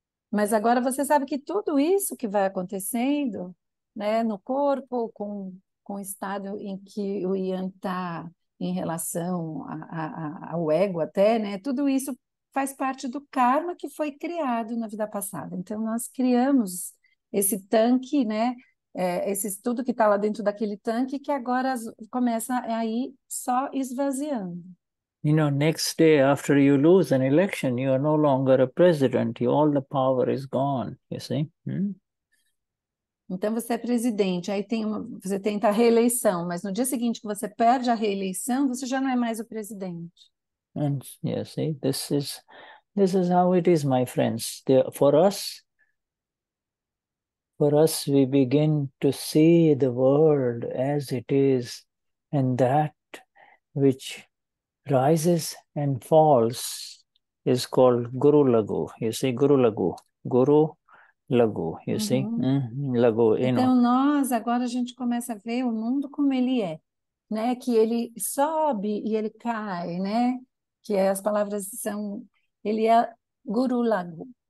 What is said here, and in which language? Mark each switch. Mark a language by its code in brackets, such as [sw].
[pt] Mas agora você sabe que tudo isso que vai acontecendo, né, no corpo, com o estado em que o Ian está em relação ao ego até, né? Tudo isso faz parte do karma que foi criado na vida passada. Então, nós criamos esse tanque, né? Esse estudo que está lá dentro daquele tanque, que agora começa aí só esvaziando. [en] You know, next day after you lose an election, you are no longer a president. All the power is gone, you see? [pt] Então você é presidente, aí tem uma, você tenta a reeleição, mas no dia seguinte que você perde a reeleição, você já não é mais o presidente. [en] And yeah, see, this is how it is, my friends. For us, we begin to see the world as it is, and that which rises and falls is called Guru Lagu. You see, Guru Lagu, Guru Lagu, you see? Lagu, you [pt] então, [en] know. [pt] Então, nós, agora a gente começa a ver o mundo como ele é, né? Que ele sobe e ele cai, né? Que as palavras são, ele é Guru Lagu.